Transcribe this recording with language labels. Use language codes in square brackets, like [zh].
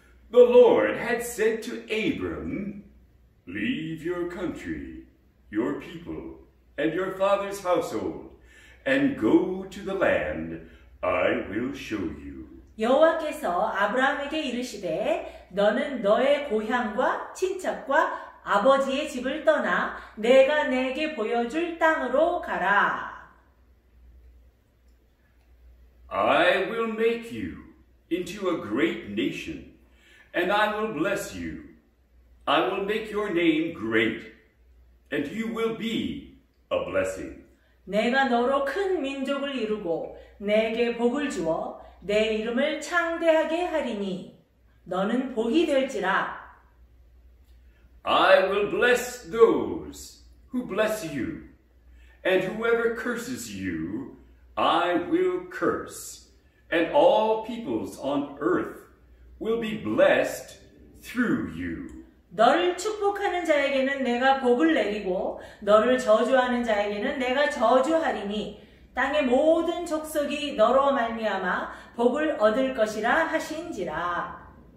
[en] The Lord had said to Abram, leave your country, your people, and your father's household, and go to the land I will show you. [ko] 여호와께서 아브라함에게 이르시되 너는 너의 고향과 친척과 아버지의 집을 떠나 내가 내게 보여줄 땅으로 가라. [en] I will make you into a great nation, and I will bless you. I will make your name great, and you will be a blessing. [ko] 내가 너로 큰 민족을 이루고 내게 복을 주어 내 이름을 창대하게 하리니 너는 복이 될지라. [en] I will bless those who bless you, and whoever curses you, I will curse, and all peoples on earth will be blessed through you. [ko] 너를 축복하는 자에게는 내가 복을 내리고 너를 저주하는 자에게는 내가 저주하리니 땅의 모든 족속이 너로 말미암아 복을 얻을 것이라 하신지라.